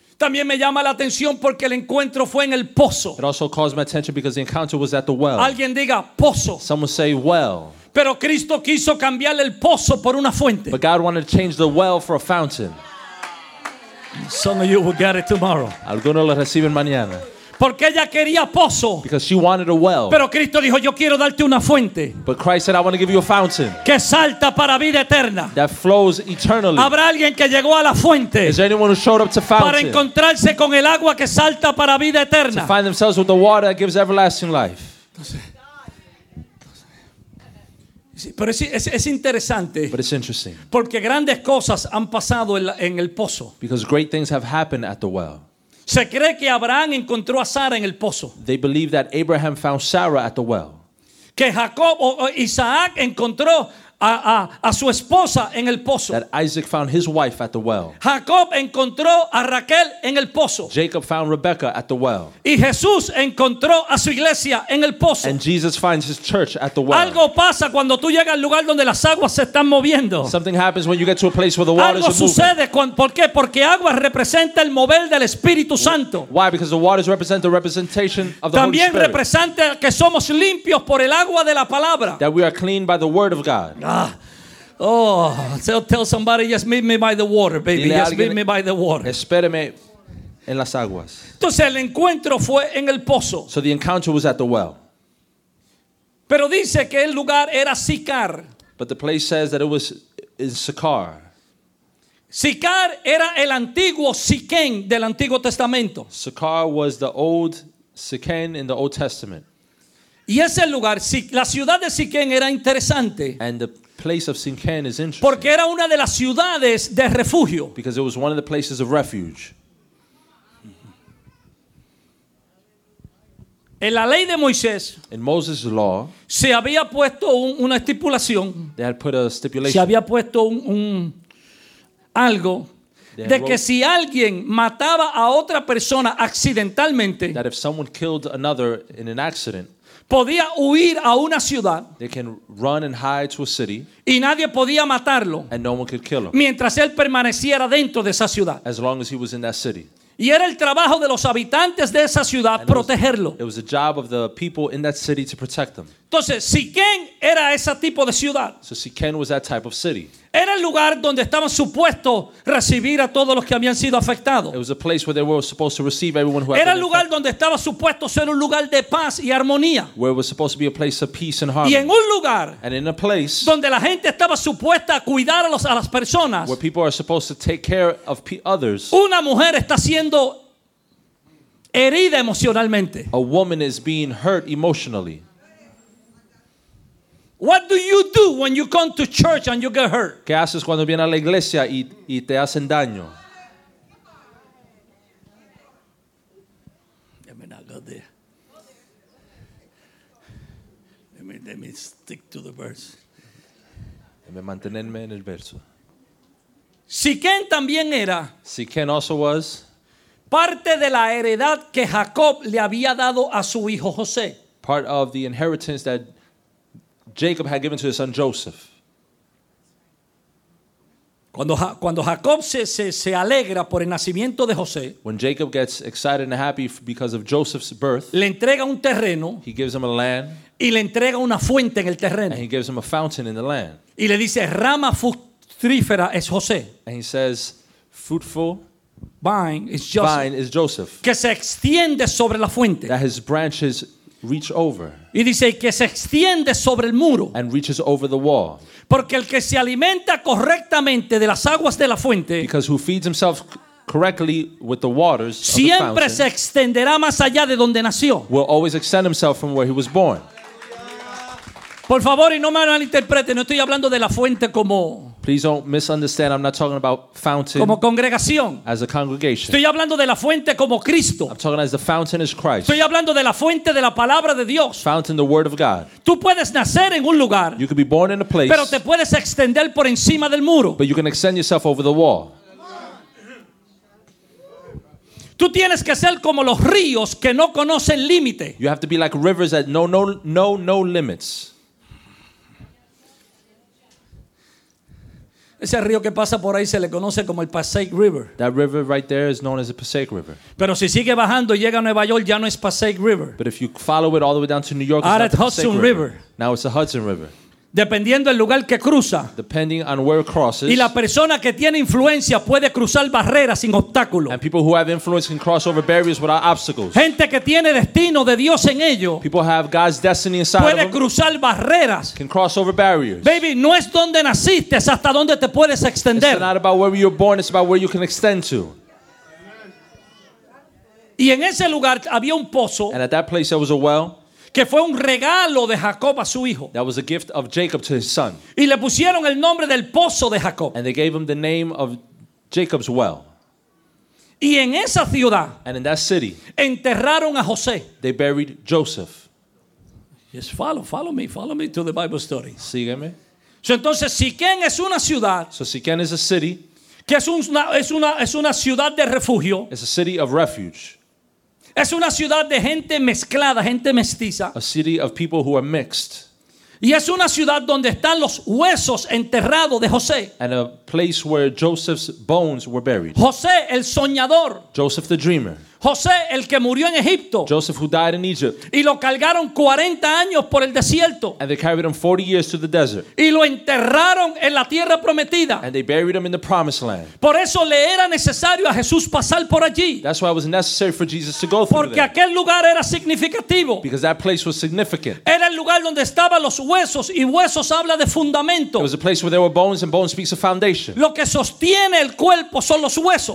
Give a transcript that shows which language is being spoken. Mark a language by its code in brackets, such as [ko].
[es] También me llama la atención porque el encuentro fue en el pozo. [en] It also caused my attention because the encounter was at the well. [es] Alguien diga pozo. [en] Someone say well. [es] Pero Cristo quiso cambiar el pozo por una fuente. [en] But God wanted to change the well for a fountain. Some of you will get it tomorrow. [es] Algunos lo reciben mañana. Porque ella quería pozo. [en] Because she wanted a well. [es] Pero Cristo dijo, yo quiero darte una fuente. [en] But Christ said, I want to give you a fountain. [es] Que salta para vida eterna. [en] That flows eternally. [es] Habrá alguien que llegó a la fuente. [en] Is there anyone who showed up to fountain? [es] Para encontrarse con el agua que salta para vida eterna. [en] To find themselves with the water that gives everlasting life. [es] Pero es interesante. [en] But it's interesting. [es] Porque grandes cosas han pasado en el pozo. [en] Because great things have happened at the well. [es] Se cree que Abraham encontró a Sara en el pozo. [en] They believe that Abraham found Sarah at the well. [es] Que Jacob o Isaac encontró a su esposa en el pozo. [en] That Isaac found his wife at the well. [es] Jacob encontró a Raquel en el pozo. [en] Jacob found Rebecca at the well. [es] Y Jesús encontró a su iglesia en el pozo. [en] And Jesus finds his church at the well. [es] Algo pasa cuando tú llegas al lugar donde las aguas se están moviendo. [en] Something happens when you get to a place where the waters [es] Algo sucede cuando, ¿por qué? Porque agua representa el mover del Espíritu Santo. [en] Why? Because the waters represent the representation of the [es] también [en] Holy Spirit. [es] También representa que somos limpios por el agua de la palabra. [en] That we are clean by the word of God. Oh, so tell somebody, just meet me by the water, baby. [es] Dile [en] just meet me by the water. [es] Espéreme en las aguas. Entonces el encuentro fue en el pozo. [en] So the encounter was at the well. [es] Pero dice que el lugar era Sicar. [en] But the place says that it was in Sicar. [es] Sicar era el antiguo Siquén del Antiguo Testamento. [en] Sicar was the old Siquén in the Old Testament. [es] Y ese lugar, la ciudad de Siquén era interesante. [en] And the place of Siquén is interesting. [es] Porque era una de las ciudades de refugio. [en] Because it was one of the places of refuge. [es] En la ley de Moisés, [en] in Moses' law, [es] se había puesto una estipulación. [en] They had put a stipulation. [es] Se había puesto un algo. De que si alguien mataba a otra persona accidentalmente, [en] that if someone killed another in an accident, [es] podía huir a una ciudad. [en] They can run and hide to a city. [es] Y nadie podía matarlo. [en] And no one could kill him. [es] Mientras él permaneciera dentro de esa ciudad. [en] As long as he was in that city. [es] Y era el trabajo de los habitantes de esa ciudad [en] and [es] protegerlo. [en] It was the job of the people in that city to protect them. [es] Entonces, Siquén era ese tipo de ciudad. [en] So Siquén was that type of city. [es] Era el lugar donde estaban supuestos recibir a todos los que habían sido afectados. [en] It was a place where they were supposed to receive everyone who had [es] era el [en] been [es] lugar [en] affected. [es] Donde estaba supuesto ser un lugar de paz y armonía. [en] Where it was supposed to be a place of peace and harmony. [es] Y en un lugar [en] and in a place [es] donde la gente estaba supuesta a cuidar a las personas. [en] Where people are supposed to take care of others. [es] Una mujer está siendo herida emocionalmente. [en] A woman is being hurt emotionally. What do you do when you come to church and you get hurt? [es] ¿Qué haces cuando vienes a la iglesia y te hacen daño? [en] Let me not go there. Let me stick to the verse. Let me [es] mantenerme en el verso. Siquén también era. [en] Siquén also was. [es] Parte de la heredad que Jacob le había dado a su hijo José. [en] Part of the inheritance that Jacob had given to his son Joseph. [es] Cuando Jacob se alegra por el nacimiento de José, [en] when Jacob gets excited and happy because of Joseph's birth, [es] le entrega un terreno, [en] he gives him a land, [es] y le entrega una fuente en el terreno, [en] and he gives him a fountain in the land. [es] Y le dice, rama fructífera es José. [en] And he says, fruitful vine is Joseph, vine is Joseph, [es] que se extiende sobre la fuente, [en] that his branches reach over, [es] y dice, que se extiende sobre el muro, [en] and reaches over the wall. [es] Porque el que se alimenta correctamente de las aguas de la fuente, [en] because who feeds himself correctly with the waters, [es] siempre [en] of the fountain, [es] se extenderá más allá de donde nació, [en] will always extend himself from where he was born. [es] Por favor, y no me malinterpreten, no estoy hablando de la fuente como, [en] please don't misunderstand, I'm not talking about fountain, [es] como congregación, [en] as a congregation. [es] Estoy hablando de la fuente como Cristo. [en] I'm talking as the fountain is Christ. [es] Estoy hablando de la fuente de la palabra de Dios. [en] Fountain, the word of God. [es] Tú puedes nacer en un lugar, [en] you could be born in a place, [es] pero te puedes extender por encima del muro, [en] but you can extend yourself over the wall. [es] Tú tienes que ser como los ríos que no conocen límite. [en] You have to be like rivers that know no limits. [es] Ese río que pasa por ahí se le conoce como el Passaic River. [en] That river right there is known as the Passaic River. [es] Pero si sigue bajando y llega a Nueva York, ya no es Passaic River. [en] But if you follow it all the way down to New York, [es] ahora [en] it's not the Hudson Passaic River. Now it's the Hudson River. [es] Dependiendo del lugar que cruza. [en] Depending on where it crosses. [es] Y la persona que tiene influencia puede cruzar barreras sin obstáculos. [en] And people who have influence can cross over barriers without obstacles. [es] Gente que tiene destino de Dios en ello. [en] People have God's destiny inside [es] puede [en] of them. [es] Puede cruzar barreras. [en] Can cross over barriers. [es] Baby, no es donde naciste, es hasta donde te puedes extender. [en] It's not about where you're born, it's about where you can extend to. [es] Y en ese lugar había un pozo. [en] And at that place there was a well. [es] Que fue un regalo de Jacob a su hijo. [en] That was a gift of Jacob to his son. [es] Y le pusieron el nombre del pozo de Jacob. [en] And they gave him the name of Jacob's well. [es] Y en esa ciudad, [en] and in that city, [es] enterraron a José. [en] They buried Joseph. Yes, follow me to the Bible story. [es] Sígueme. So entonces, Siquén es una ciudad. [en] So Siquén is a city. [es] Que es una ciudad de refugio. [en] It's a city of refuge. [es] Es una ciudad de gente mezclada, gente mestiza. [en] A city of people who are mixed. [es] Y es una ciudad donde están los huesos enterrados de José. [en] And a place where Joseph's bones were buried. [es] José el soñador. [en] Joseph the dreamer. [es] José el que murió en Egipto. [en] Joseph who died in Egypt. [es] Y lo cargaron 40 años por el desierto. [en] And they carried him 40 years to the desert. [es] Y lo enterraron en la tierra prometida. [en] And they buried him in the promised land. [es] Por eso le era necesario a Jesús pasar por allí. [en] That's why it was necessary for Jesus to go through. [es] Porque [en] there. [es] Aquel lugar era significativo. [en] Because that place was significant. [es] Era el lugar donde estaban los huesos y huesos habla de fundamento. [en] It was a place where there were bones and bones speaks of foundation. [es] Lo que sostiene el cuerpo son los huesos.